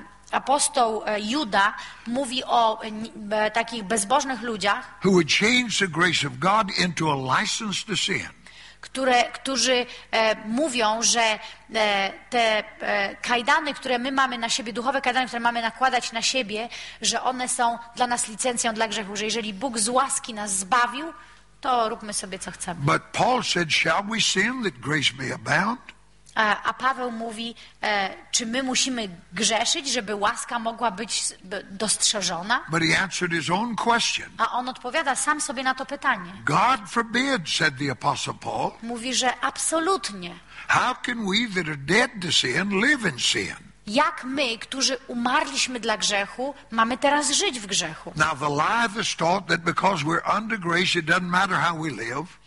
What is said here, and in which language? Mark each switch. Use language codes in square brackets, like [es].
[pl] Apostoł Juda mówi o takich bezbożnych ludziach, [en] who would change the grace of God into a license to sin. [pl] Którzy mówią, że te kajdany, które my mamy na siebie, duchowe kajdany, które mamy nakładać na siebie, że one są dla nas licencją dla grzechu, że jeżeli Bóg z łaski nas zbawił, to róbmy sobie, co chcemy. [en] But Paul said, shall we sin that grace may abound? [pl] A Paweł mówi, czy my musimy grzeszyć, żeby łaska mogła być dostrzeżona? [en] But he answered his own question. [pl] A on odpowiada sam sobie na to pytanie. [en] God forbid, said the apostle Paul. [pl] Mówi, że absolutnie. [en] How can we that are dead to sin live in sin? [pl] Jak my, którzy umarliśmy dla grzechu, mamy teraz żyć w grzechu? [en] Now the lie that's taught that because we're under grace, it doesn't matter how we live.